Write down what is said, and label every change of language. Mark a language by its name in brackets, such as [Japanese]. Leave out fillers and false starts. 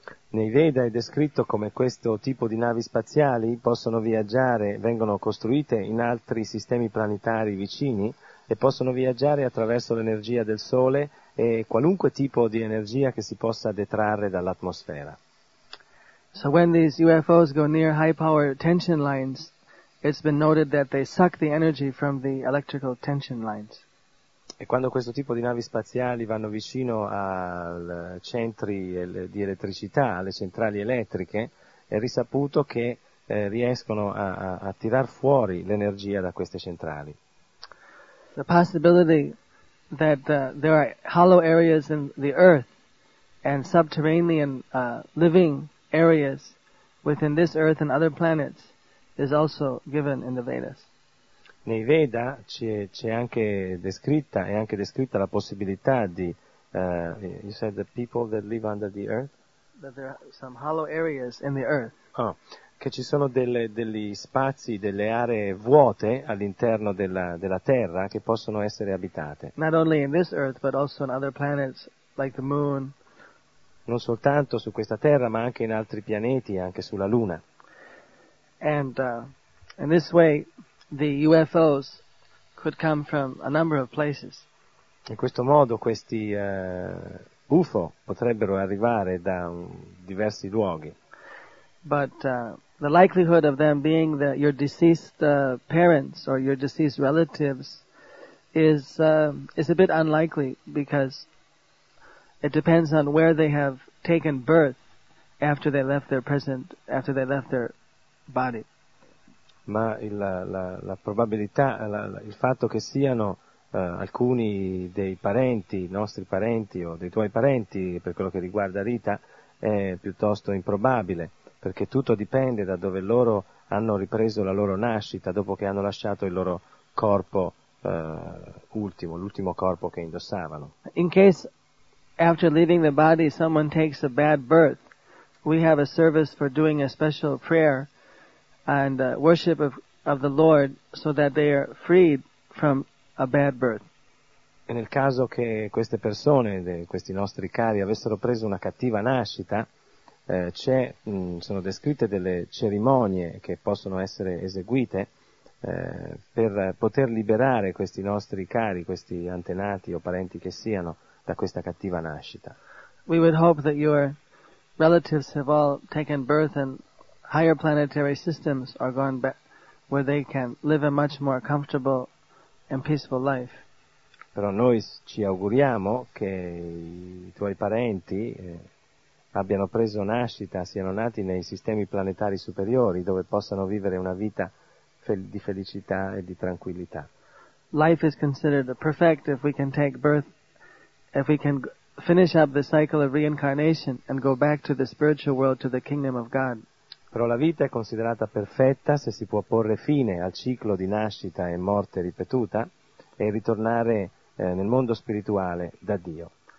[Italian] Nei Veda è descritto come questo tipo di navi spaziali possono viaggiare, vengono costruite in altri sistemi planetari vicini e possono viaggiare attraverso l'energia del sole e qualunque tipo di energia che si possa detrarre dall'atmosfera. [English] So when these UFOs go near high power tension lines, it's been noted that they suck the energy from the electrical tension lines. [Italian] E quando questo tipo di navi spaziali vanno vicino ai centri di elettricità, alle centrali elettriche, è risaputo che riescono a tirar fuori l'energia da queste centrali. [English] The possibility that there are hollow areas in the earth and subterranean living areas within this earth and other planets is also given in the Vedas. [Italian] Nei Veda c'è anche descritta, è anche descritta la possibilità di, [English] you said the people that live under the earth? That there are some hollow areas in the earth. [Italian] Oh, che ci sono degli spazi, delle aree vuote all'interno della terra che possono essere abitate. [English] Not only in this earth, but also on other planets like the moon. [Italian] Non soltanto su questa terra, ma anche in altri pianeti, anche sulla luna. [English] And in this way, the UFOs could come from a number of places. [Italian] In questo modo questi UFO potrebbero arrivare da diversi luoghi. [English] But the likelihood of them being your deceased parents or your deceased relatives is a bit unlikely, because it depends on where they have taken birth after they left their present, after they left their body. [Italian] Ma la probabilità, il fatto che siano alcuni dei parenti, nostri parenti o dei tuoi parenti, per quello che riguarda Rita, è piuttosto improbabile, perché tutto dipende da dove loro hanno ripreso la loro nascita dopo che hanno lasciato il loro corpo l'ultimo corpo che indossavano. [English] In case after leaving the body someone takes a bad birth, we have a service for doing a special prayer and worship of the Lord so that they are freed from a bad birth. [Italian] E nel caso che queste persone, questi nostri cari, avessero preso una cattiva nascita, sono descritte delle cerimonie che possono essere eseguite per poter liberare questi nostri cari, questi antenati o parenti che siano, da questa cattiva nascita. [English] We would hope that your relatives have all taken birth and higher planetary systems are gone back, where they can live a much more comfortable and peaceful life. [Italian] Però noi ci auguriamo che i tuoi parenti abbiano preso nascita, siano nati nei sistemi planetari superiori, dove possano vivere una vita di felicità e di tranquillità. [English] Life is considered perfect if we can take birth, if we can finish up the cycle of reincarnation and go back to the spiritual world, to the kingdom of God. [Italian] Però la vita è considerata perfetta se si può porre fine al ciclo di nascita e morte ripetuta e ritornare nel mondo spirituale da Dio.